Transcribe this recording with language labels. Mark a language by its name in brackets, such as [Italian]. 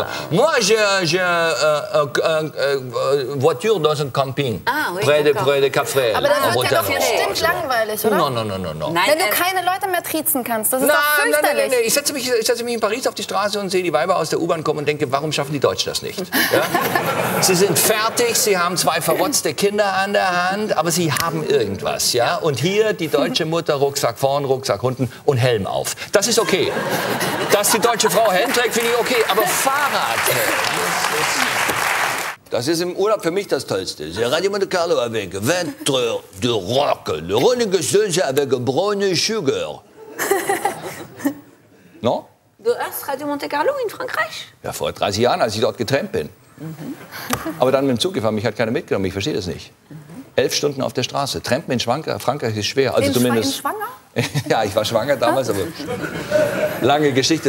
[French] Moi, j'ai une voiture dans un camping. Ah, oui, près de Cap-Frère. [German] Aber das wird ja doch bestimmt langweilig, oder? [French] Non. [German] Nein, wenn du keine Leute mehr triezen kannst, das ist doch fürchterlich. Nein. Ich setze mich in Paris auf die Straße und sehe die Weiber aus der U-Bahn kommen und denke, warum schaffen die Deutschen das nicht? Ja? Sie sind fertig, sie haben zwei verrotzte Kinder an der Hand, aber sie haben irgendwas. Ja? Und hier die deutsche Mutter, Rucksack vorn, Rucksack unten und Helm auf. Das ist okay. Dass die deutsche Frau Helm trägt, finde ich okay, aber Fahrrad. Das ist im Urlaub für mich das Tollste. [French] C'est Radio Monte Carlo avec Ventre de Rock, le Rolling Stones avec Brown Sugar. Non? [German] Du hörst Radio Monte Carlo in Frankreich? Ja, vor 30 Jahren, als ich dort getrennt bin. Aber dann mit dem Zug gefahren, mich hat keiner mitgenommen, ich verstehe das nicht. 11 Stunden auf der Straße. Trampen in Frankreich ist schwer. Also zumindest. Schwanger? Ja, ich war schwanger damals, aber lange Geschichte.